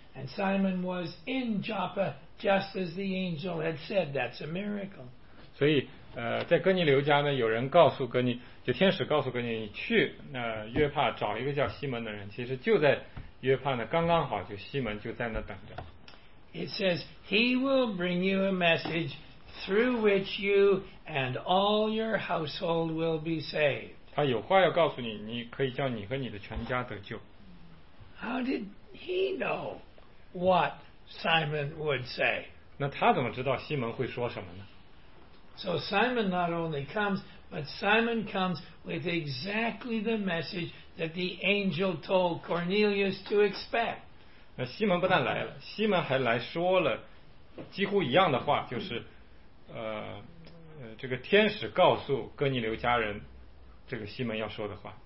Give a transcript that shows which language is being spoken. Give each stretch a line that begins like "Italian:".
English: And Simon was in Joppa just as the angel had said. That's a miracle.
Chinese: 所以在哥尼流家呢，有人告诉哥尼，就天使告诉哥尼，你去那约帕找一个叫西门的人。其实就在约帕呢，刚刚好就西门就在那等着。
English: It says he will bring you a message through which you and all your household will be saved.
Chinese: 他有话要告诉你，你可以叫你和你的全家得救。
English: How did he know what Simon would say?
Chinese: 那他怎么知道西门会说什么呢？
English: So Simon not only comes, but Simon comes with exactly the message that the angel told Cornelius to expect.
Chinese: 那西门不但来了，西门还来说了几乎一样的话，就是这个天使告诉哥尼流家人这个西门要说的话。